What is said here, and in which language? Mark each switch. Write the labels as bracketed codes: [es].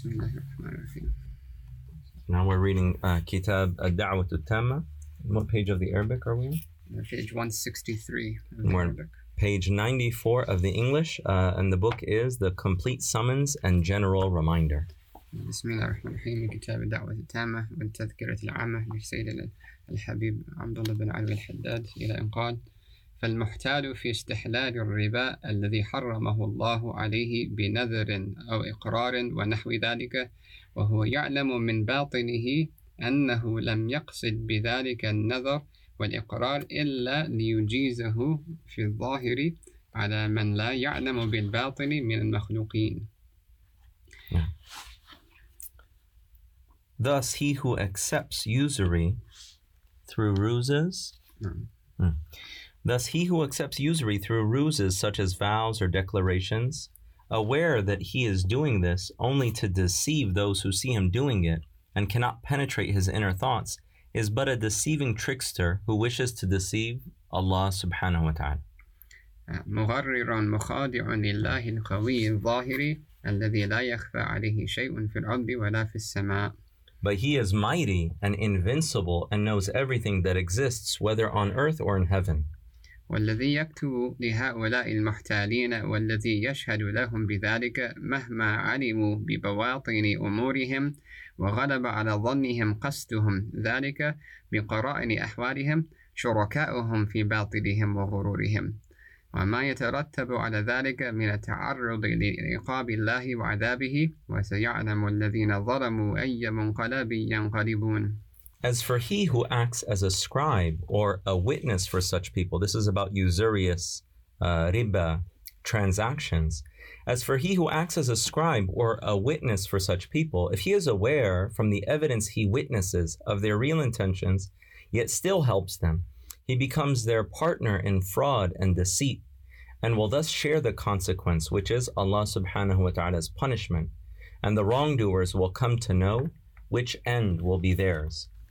[ar] Bismillahirrahmanirrahim. [en] Now we're reading Kitab Ad-Da'wah Al-Tamma. What page of the Arabic are we on? Page 163 of the Arabic. Page 94 of the English, and the book is The Complete Summons and General Reminder. [ar] Bismillahirrahmanirrahim. Kitab Ad-Da'wah Al-Tamma wa Tadhkirat Al-Ammah li Sayyidina Al-Habib Abdullah bin Ali Al-Haddad ila an qala فالمحتال في استحلال الربا الذي حرمه الله عليه بنذر أو إقرار ونحو ذلك وهو يعلم من باطنه أنه لم يقصد بذلك النذر والإقرار إلا ليجيزه في الظاهر على من لا يعلم بالباطن من المخلوقين. [en] Thus he who accepts usury through ruses. Thus he who accepts usury through ruses such as vows or declarations, aware that he is doing this only to deceive those who see him doing it and cannot penetrate his inner thoughts, is but a deceiving trickster who wishes to deceive Allah subhanahu wa ta'ala. [ar] مغرّرٌ مخادعٌ لله القوي الظاهري الذي لا يخفى عليه شيء في الأرض ولا في السماء. [en] But he is mighty and invincible and knows everything that exists, whether on earth or in heaven. [ar] والذي يكتب لهؤلاء المحتالين والذي يشهد لهم بذلك مهما علموا ببواطن أمورهم وغلب على ظنهم قصدهم ذلك بقرائن أحوالهم شركاؤهم في باطلهم وغرورهم وما يترتب على ذلك من التعرض لعقاب الله وعذابه وسيعلم الذين ظلموا أي منقلب ينقلبون. [en] As for he who acts as a scribe or a witness for such people, this is about usurious riba transactions. As for he who acts as a scribe or a witness for such people, if he is aware from the evidence he witnesses of their real intentions, yet still helps them, he becomes their partner in fraud and deceit, and will thus share the consequence, which is Allah subhanahu wa ta'ala's punishment, and the wrongdoers will come to know which end will be theirs.